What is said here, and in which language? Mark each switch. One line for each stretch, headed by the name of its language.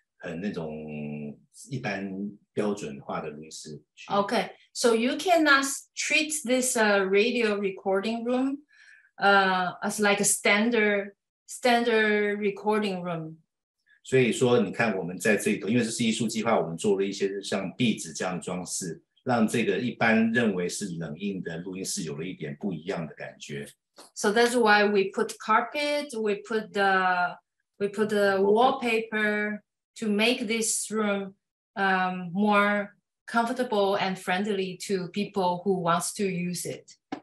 English: Okay, so you cannot treat this radio recording room as like a standard recording room.
Chinese: 所以说，你看我们在这里头，因为这是艺术计划，我们做了一些像壁纸这样装饰，让这个一般认为是冷硬的录音室有了一点不一样的感觉。So
English: that's why we put carpet, we put the wallpaper. To make this room more comfortable and friendly to people who wants to use it.